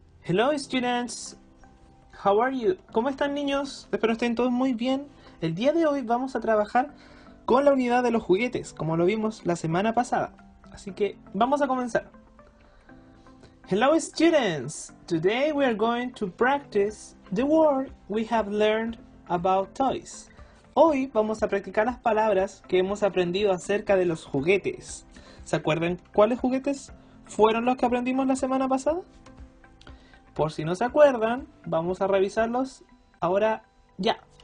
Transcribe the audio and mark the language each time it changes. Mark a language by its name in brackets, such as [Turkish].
[English] Hello students, how are you? [Spanish] ¿Cómo están niños? Espero estén todos muy bien. El día de hoy vamos a trabajar con la unidad de los juguetes, como lo vimos la semana pasada. Así que vamos a comenzar. [English] Hello students, today we are going to practice the word we have learned about toys. [Spanish] Hoy vamos a practicar las palabras que hemos aprendido acerca de los juguetes. ¿Se acuerdan cuáles juguetes fueron los que aprendimos la semana pasada? Por si no se acuerdan, vamos a revisarlos ahora ya.